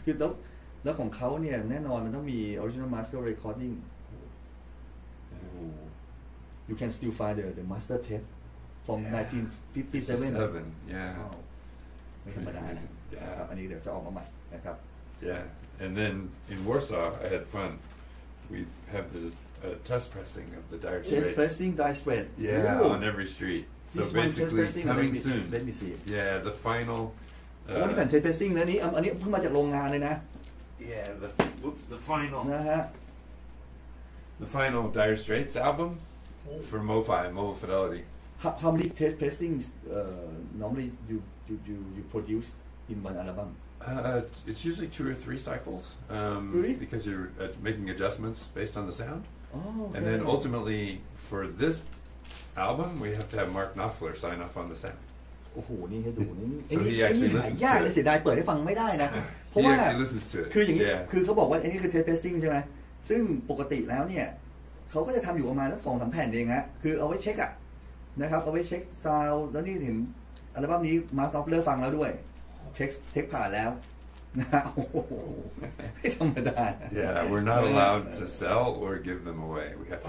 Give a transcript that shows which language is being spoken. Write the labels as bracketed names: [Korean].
[Thai] คือแล้วของเขาเนี่ยแน่นอนมันต้องมี original master recording. [English] Yeah. You can still find the master tape from 1957. 57. Yeah. Wow. [Thai] ไม่ธรรมดานะครับอันนี้เดี๋ยวจะออกมาใหม่นะครับ [English] Yeah and then in Warsaw I had fun we have the test pressing of the Dire Straits test pressing Dire Straits yeah Ooh. On every street so This basically coming let me, soon let me see it. Yeah the final [Thai] วันนี้เป็น test pressing แล้วนี่อันนี้เพิ่งมาจากโรงงานเลยนะ [English] Yeah the whoops the final [Thai] นะฮะ [English] the final Dire Straits album for MoFi Mobile Fidelity how many test pressings normally you produce in one album? It's usually two or three cycles. Really? Because you're making adjustments based on the sound. Oh, okay. And then ultimately, for this album, we have to have Mark Knopfler sign off on the sound. Oh, this is good. So he actually listens to it. Yeah, it's hard to open it. He actually listens to it. Yeah. Because he said this is test pressing, right? Which usually, he will do it for about 2-3 tracks. So he will check it. [Thai] นะครับเอาไว้เช็คซาวด์แล้วนี่เห็นอัลบั้มนี้มาสก์ออฟเลอร์ฟังแล้วด้วยเช็คผ่านแล้วนะฮะไม่ธรรมดา [English] Yeah we're not allowed to sell or give them away we have to